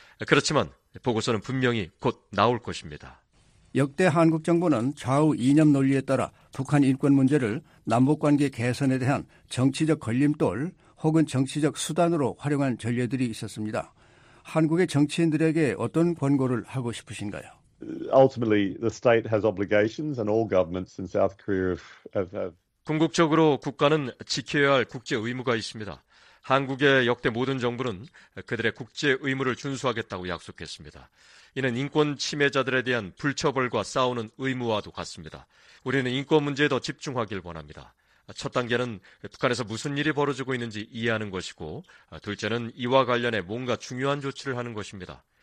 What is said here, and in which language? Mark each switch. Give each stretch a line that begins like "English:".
Korean: 그렇지만 보고서는 분명히 곧 나올 것입니다. 역대 한국 정부는 좌우 이념 논리에 따라 북한 인권 문제를 남북관계 개선에 대한 정치적 걸림돌 혹은 정치적 수단으로 활용한 전례들이 있었습니다. 한국의 정치인들에게 어떤 권고를 하고 싶으신가요?
English: Ultimately, the state has obligations and all governments in South Korea have.
Korean: 궁극적으로 국가는 지켜야 할 국제 의무가 있습니다. 한국의 역대 모든 정부는 그들의 국제 의무를 준수하겠다고 약속했습니다. 이는 인권 침해자들에 대한 불처벌과 싸우는 의무와도 같습니다. 우리는 인권 문제에 더 집중하길 원합니다. 첫 단계는 북한에서 무슨 일이 벌어지고 있는지 이해하는 것이고, 둘째는 이와 관련해 뭔가 중요한 조치를 하는 것입니다.